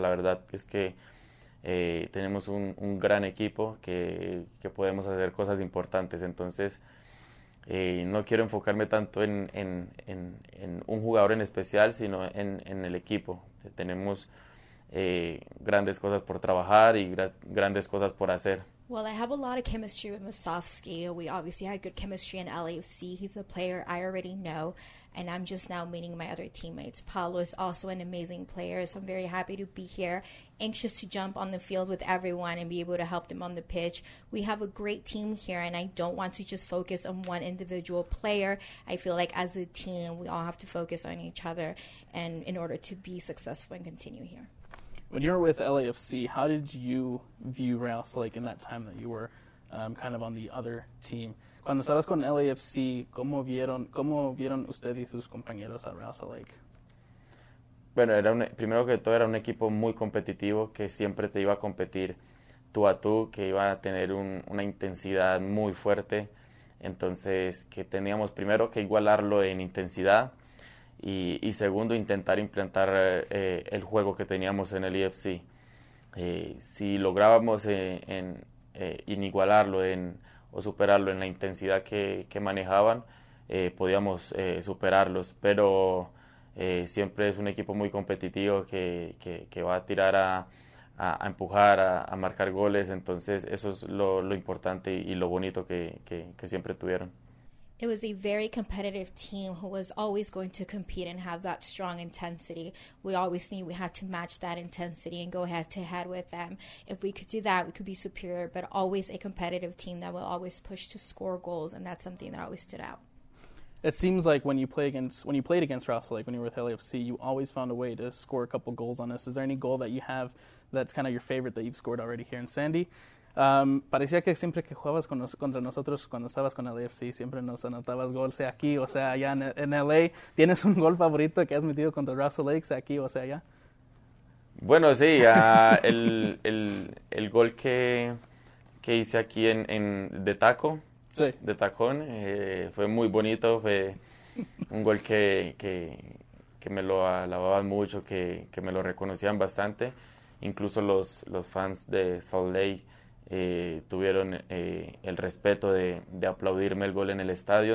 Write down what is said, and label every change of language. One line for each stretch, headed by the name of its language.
Spanish: La verdad es que tenemos un gran equipo que podemos hacer cosas importantes. Entonces, no quiero enfocarme tanto en un jugador en especial, sino en el equipo. Tenemos grandes cosas por trabajar y grandes cosas por hacer.
English: Well, I have a lot of chemistry with Musovski. We obviously had good chemistry in LAFC. He's a player I already know, and I'm just now meeting my other teammates. Paulo is also an amazing player, so I'm very happy to be here, anxious to jump on the field with everyone and be able to help them on the pitch. We have a great team here, and I don't want to just focus on one individual player. I feel like as a team, we all have to focus on each other and in order to be successful and continue here. When you were with LAFC, how did you view Real Salt Lake in that time that you were kind of on the other team?
Spanish: Cuando estabas con LAFC, ¿cómo vieron usted y sus compañeros a Real Salt Lake? Bueno, primero que todo era un equipo muy competitivo que siempre te iba a competir tú a tú, que iba a tener una intensidad muy fuerte. Entonces, que teníamos primero que igualarlo en intensidad y segundo, intentar implantar el juego que teníamos en el EFC. Si lográbamos inigualarlo o superarlo en la intensidad que manejaban, podíamos superarlos, pero siempre es un equipo muy competitivo que va a tirar a empujar, a marcar goles. Entonces eso es lo importante y lo bonito que siempre tuvieron.
English: It was a very competitive team who was always going to compete and have that strong intensity. We always knew we had to match that intensity and go head to head with them. If we could do that, we could be superior, but always a competitive team that will always push to score goals, and that's something that always stood out. It seems like when you played against Real Salt Lake, when you were with LAFC, you always found a way to score a couple goals on us. Is there any goal that you have that's kind of your favorite that you've scored already here in Sandy?
Spanish: Parecía que siempre que jugabas contra nosotros, cuando estabas con LAFC, siempre nos anotabas gol, sea aquí o sea allá en LA. ¿Tienes un gol favorito que has metido contra Real Salt Lake, sea aquí o sea Bueno, sí, allá? el gol que hice aquí en de tacón, fue muy bonito, fue un gol que me lo alababan mucho, que me lo reconocían bastante, incluso los fans de Salt Lake tuvieron el respeto de aplaudirme el gol en el estadio.